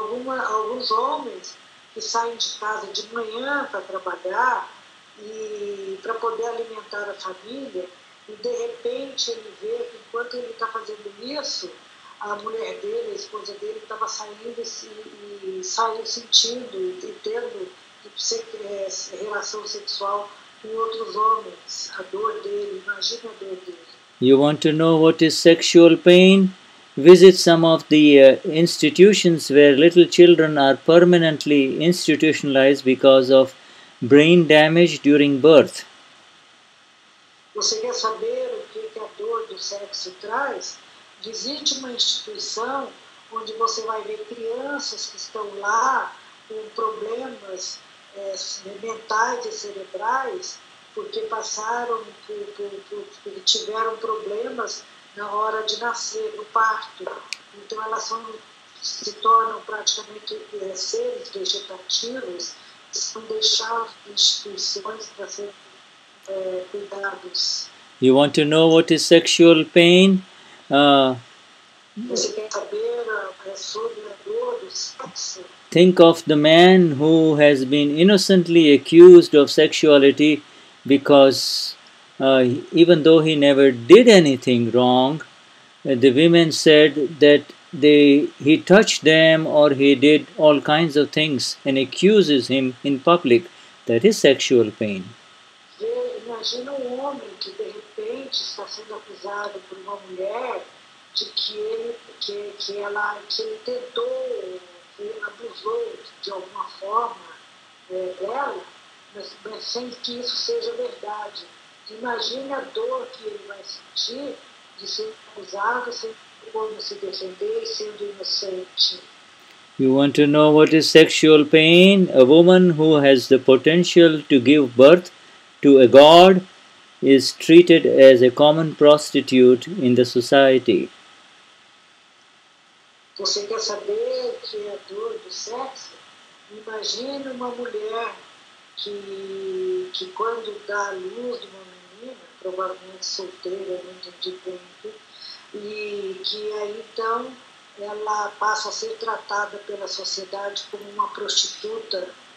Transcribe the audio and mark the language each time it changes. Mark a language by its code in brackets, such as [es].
[pt] Alguns homens que saem de casa de manhã para trabalhar e para poder alimentar a família, e de repente ele vê que enquanto ele está fazendo isso, a mulher dele, a esposa dele, estava saindo e sentindo e tendo relação sexual com outros homens. A dor dele, imagina a dor dele. [en] You want to know what is sexual pain? Visit some of the institutions where little children are permanently institutionalized because of brain damage during birth. [pt] Você quer saber o que a dor do sexo traz? Visite uma instituição onde você vai ver crianças que estão lá com problemas mentais e cerebrais porque passaram por tiveram problemas na hora de nascer, no parto. Então elas se tornam praticamente seres vegetativos, são deixadas em instituições para serem cuidados. [en] You want to know what is sexual pain? [pt] Você quer saber sobre a dor do sexo? [en] Think of the man who has been innocently accused of sexuality because even though he never did anything wrong, the women said that he touched them or he did all kinds of things and accuses him in public. That is sexual pain. [pt] Imagina um homem que de repente está sendo acusado por uma mulher de que ele tentou, que abusou de alguma forma dela, mas sem que isso seja verdade. Imagine a dor que ele vai sentir de ser acusado, sem como se defender e sendo inocente. [en] You want to know what is sexual pain? A woman who has the potential to give birth to a god is treated as a common prostitute in the society. [pt] Você quer saber que é a dor do sexo? Imagine uma mulher que quando dá a luz de uma menina, provavelmente solteira, muito dependente, e que aí então ela passa a ser tratada pela sociedade como uma prostituta.